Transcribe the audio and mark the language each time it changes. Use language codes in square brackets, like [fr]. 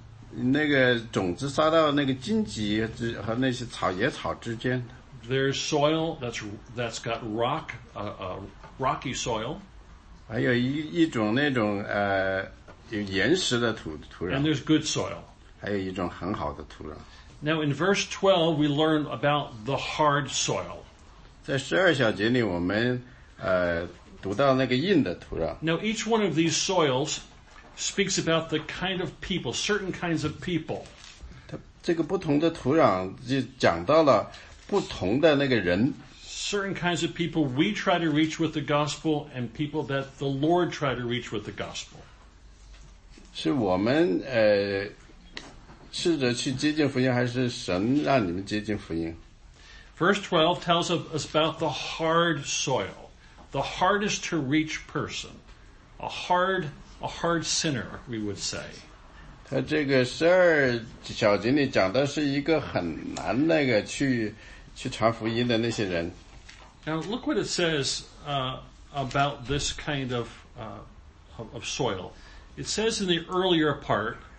[zh] 那个种子撒到那个荆棘和那些草野草之间。 [en] There's soil that's got rock, rocky soil. [zh] 还有一种那种有岩石的土壤。 [en] And there's good soil. [zh] 还有一种很好的土壤。 [en] Now in verse 12, we learn about the hard soil. [zh] 在十二小节里我们读到那个硬的土壤。 [en] Now each one of these soils speaks about the kind of people, certain kinds of people. [zh] 这个不同的土壤就讲到了不同的那个人。 [en] Certain kinds of people we try to reach with the gospel and people that the Lord try to reach with the gospel. [zh] 是我们试着去接近福音还是神让你们接近福音？ [en] Verse 12 tells us about the hard soil, the hardest to reach person, a hard sinner, we would say. [zh] 他这个十二小节里讲的是一个很难那个去传福音的那些人。 [en] Now look what it says about this kind of soil. It says in the earlier part,